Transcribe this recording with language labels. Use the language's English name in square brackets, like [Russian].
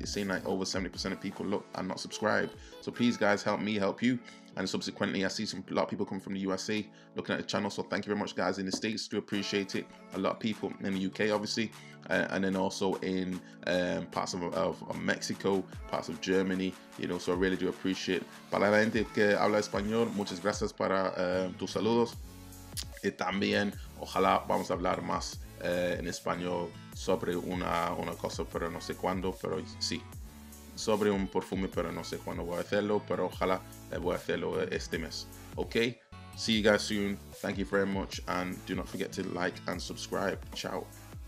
[English] It seems like over 70% of people look and not subscribed. So please, guys, help me help you. And subsequently, I see a lot of people come from the USA looking at the channel. So thank you very much, guys, in the States. Do appreciate it. A lot of people in the UK, obviously. And then also in parts of Mexico, parts of Germany, you know. So I really do appreciate. [Spanish] Para la gente que habla español, muchas gracias para tus saludos. Y también, ojalá vamos a hablar más en español sobre una cosa, pero no sé cuándo, pero sí. Sobre un perfume, pero no sé cuándo voy a hacerlo, pero ojalá voy a hacerlo este mes. [English] Okay, see you guys soon. Thank you very much, and do not forget to like and subscribe. Ciao.